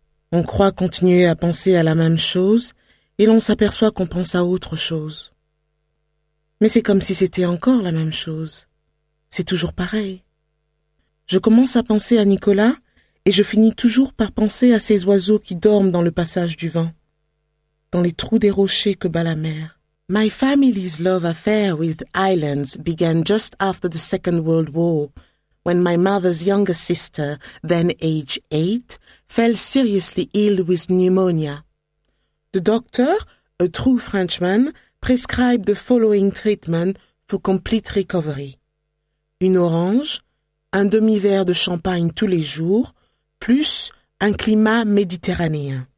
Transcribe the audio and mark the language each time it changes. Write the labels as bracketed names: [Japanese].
[French] On croit continuer à penser à la même chose et l'on s'aperçoit qu'on pense à autre chose. Mais c'est comme si c'était encore la même chose. C'est toujours pareil. Je commence à penser à Nicolas et je finis toujours par penser à ces oiseaux qui dorment dans le passage du vent, dans les trous des rochers que bat la mer. [English] My family's love affair with islands began just after the Second World War, when my mother's younger sister, then age 8, fell seriously ill with pneumonia. The doctor, a true Frenchman, prescribed the following treatment for complete recovery. [French] Une orange, un demi-verre de champagne tous les jours, plus un climat méditerranéen.